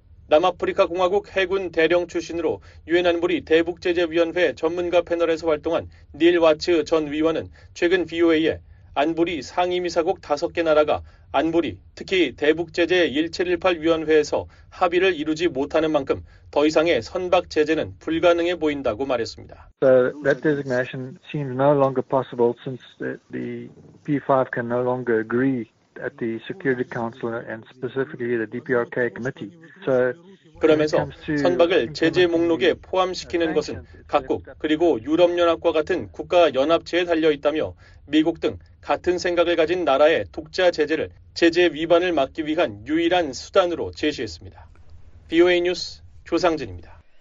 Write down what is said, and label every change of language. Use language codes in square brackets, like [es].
[ko] 남아프리카공화국 해군 대령 출신으로 유엔 안보리 대북제재위원회 전문가 패널에서 활동한 닐 와츠 전 위원은 최근 VOA에 안보리 상임이사국 5개 나라가 안보리, 특히 대북제재 1718위원회에서 합의를 이루지 못하는 만큼 더 이상의 선박 제재는 불가능해 보인다고 말했습니다. [en] That designation seems no longer possible since the P5 can no longer agree at the Security Council and specifically the DPRK committee. So [ko] 그러면서 선박을 제재 목록에 포함시키는 것은 각국 그리고 유럽연합과 같은 국가연합체에 달려있다며 미국 등 같은 생각을 가진 나라의 독자 제재를 제재 위반을 막기 위한 유일한 수단으로 제시했습니다. BOA 뉴스 조상진입니다.